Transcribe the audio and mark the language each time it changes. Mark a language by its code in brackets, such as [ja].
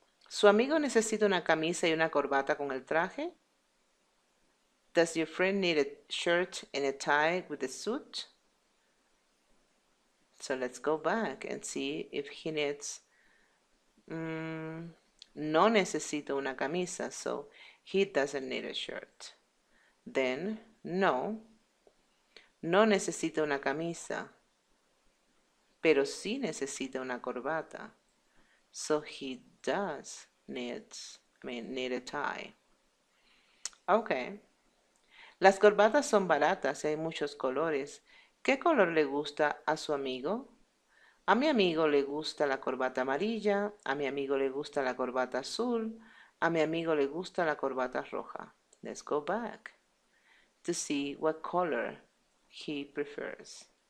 [es] ¿Su amigo necesita una camisa y una corbata con el traje? [en] Does your friend need a shirt and a tie with a suit? So let's go back and see if he needs... [es] no necesito una camisa, [en] so he doesn't need a shirt. [es] Then, no, no necesita una camisa, pero sí necesita una corbata. [en] So he does need a tie. Okay. [es] Las corbatas son baratas y hay muchos colores. ¿Qué color le gusta a su amigo? A mi amigo le gusta la corbata amarilla, a mi amigo le gusta la corbata azul, a mi amigo le gusta la corbata roja. [en] Let's go back to see what color he prefers.